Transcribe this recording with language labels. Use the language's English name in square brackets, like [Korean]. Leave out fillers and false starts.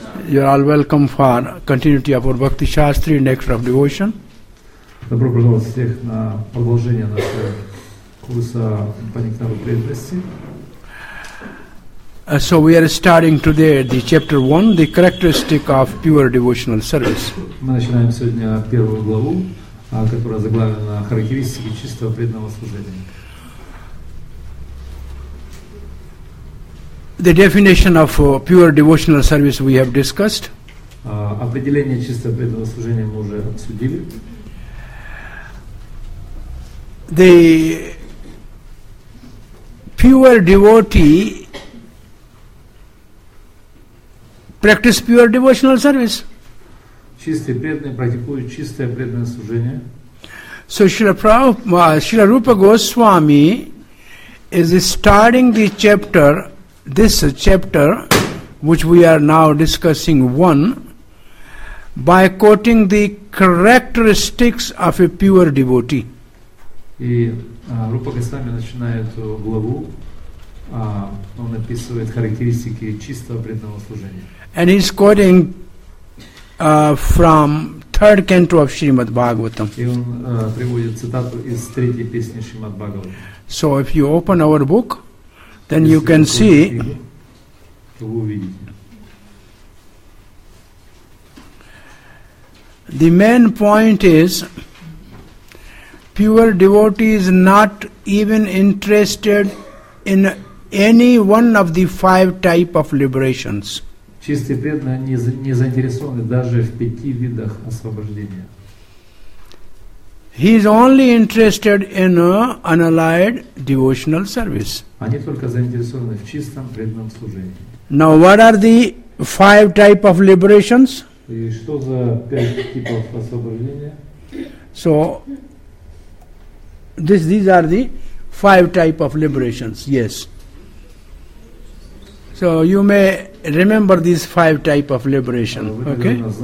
[English] You are all welcome for continuity of our Bhakti Shastri next of devotion. [Russian] Добро пожаловать всех на продолжение нашего курса по нектару преданности. [English] So we are starting today the chapter 1, the characteristic of pure devotional service. [Russian] Мы начинаем сегодня первую главу, которая заглавлена «Характеристики чистого преданного служения». [English] The definition of pure devotional service we have discussed. [Russian] Определение чистого преданного служения мы уже обсудили. [English] The pure devotee practice pure devotional service. [Russian] Чистые преданные практикуют чистое преданное служение. [English] So Srila Rupa Goswami is starting the chapter, this chapter which we are now discussing one, by quoting the characteristics of a pure devotee. [Russian] И Рупа Госвами начинает главу, он описывает характеристики чистого преданного служения. [English] And he's quoting from third canto of Shrimad Bhagavatam. [Russian] И он приводит цитату из третьей песни Шримад Бхагаватам. [English] So if you open our book, then you can see. [Russian] То вы увидите. [English] The main point is. Pure devotee is not even interested in any one of the five type of liberations. [Russian] Чистые преданные не заинтересованы даже в пяти видах освобождения. [English] He is only interested in unalloyed devotional service. [Russian] Они только заинтересованы в чистом преданном служении. [English] Now, what are the five type of liberations? [Russian] И что за пять типов освобождения? [English] So. These are the five type of liberations, yes. So you may remember these five type of liberation, okay?